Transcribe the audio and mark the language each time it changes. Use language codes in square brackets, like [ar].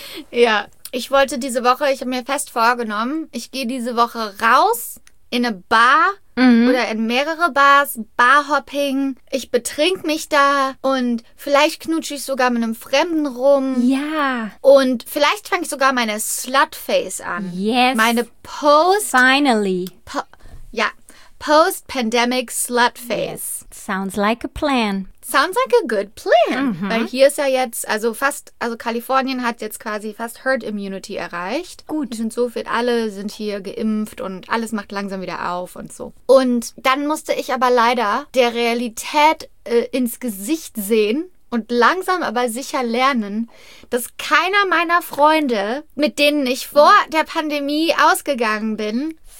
[de] Ja, ich wollte diese Woche, ich habe mir fest vorgenommen, ich gehe diese Woche raus in eine Bar oder in mehrere Bars, Barhopping. Ich betrink mich da und vielleicht knutsche ich sogar mit einem Fremden rum. Ja. Und vielleicht fange ich sogar meine Slutface an. [en] Yes. [de] Meine Post... [en] Finally. Post-Pandemic Slutface. Yes. Sounds like a plan. Sounds like a good plan. Mhm. [de] Weil hier ist ja jetzt, Kalifornien hat jetzt quasi fast Herd Immunity erreicht. Gut. Und so viel, alle sind hier geimpft und alles macht langsam wieder auf und so. Und dann musste ich aber leider der Realität ins Gesicht sehen und langsam aber sicher lernen, dass keiner meiner Freunde, mit denen ich vor der Pandemie ausgegangen bin,